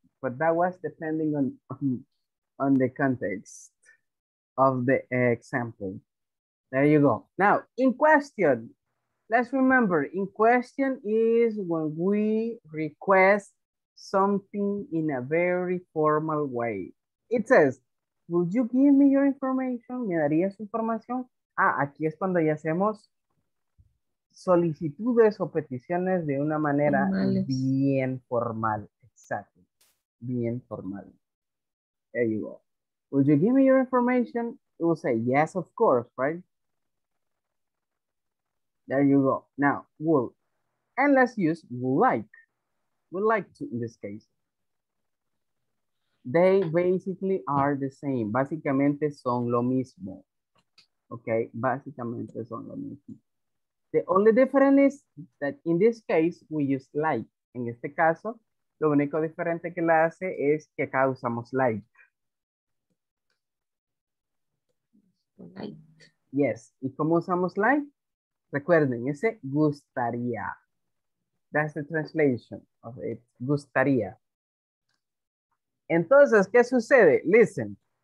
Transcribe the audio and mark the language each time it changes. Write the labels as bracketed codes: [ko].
[en] But that was depending on the context of the example. There you go. Now, in question. Let's remember, in question is when we request something in a very formal way. It says, would you give me your information? [es] ¿Me darías información? Ah, aquí es cuando ya hacemos solicitudes o peticiones de una manera bien formal. Exacto. Bien formal. [en] There you go. Would you give me your information? It will say, yes, of course, right? There you go. Now, would. And let's use would like. Would like to in this case. They basically are the same. [es] Básicamente son lo mismo. Okay, básicamente son lo mismo. [en] The only difference is that in this case we use like. [es] En este caso, lo único diferente que la hace es que acá usamos like. [en] Like. [es] Yes, ¿y cómo usamos like? Recuerden, ese gustaría. [en] That's the translation of it. Gustaría. [es] Entonces, ¿qué sucede? [en] Listen.